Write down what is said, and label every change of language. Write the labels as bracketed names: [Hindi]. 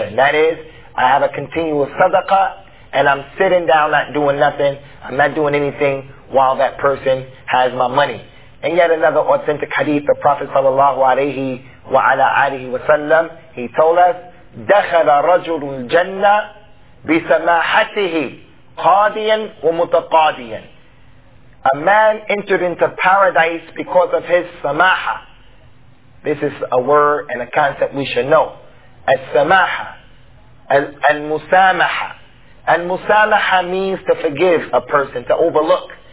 [English] And that is, I have a continual sadaqah, and I'm sitting down not doing nothing. I'm not doing anything while that person has my money. And yet another authentic hadith, the Prophet sallallahu alayhi wa ala alihi wa sallam, he told us, [Arabic] دَخَلَ رَجُلٌ الْجَنَّةِ بسماحته قاضيا ومتقاضيا. [English] A man entered into paradise because of his samaha. This is a word and a concept we should know. Al-samaha. Al-musamaha. Al-musamaha means to forgive a person, to overlook.